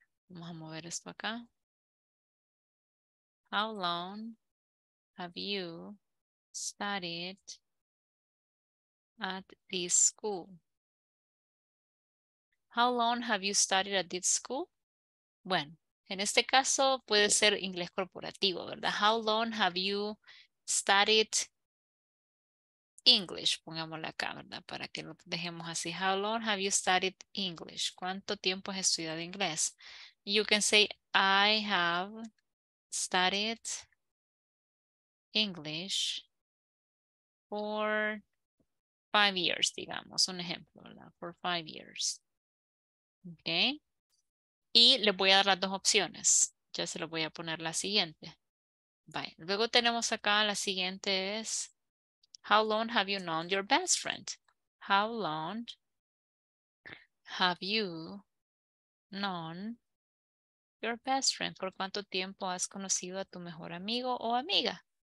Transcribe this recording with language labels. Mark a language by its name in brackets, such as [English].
[Spanish] Vamos a mover esto acá. [English] How long have you studied at this school? How long have you studied at this school? [Spanish] Bueno, en este caso puede ser inglés corporativo, ¿verdad? [English] How long have you studied English, [Spanish] pongámosle acá, ¿verdad? Para que lo dejemos así. [English] How long have you studied English? [Spanish] ¿Cuánto tiempo has estudiado inglés? [English] You can say, I have studied English for 5 years, digamos. [Spanish] Un ejemplo, ¿verdad? [English] For 5 years. Okay. [Spanish] Y le voy a dar las dos opciones. Ya se lo voy a poner la siguiente. [English] Bye. [Spanish] Luego tenemos acá, la siguiente es, [English] how long have you known your best friend? How long have you known your best friend? [Spanish] ¿Por cuánto tiempo has conocido a tu mejor amigo o amiga?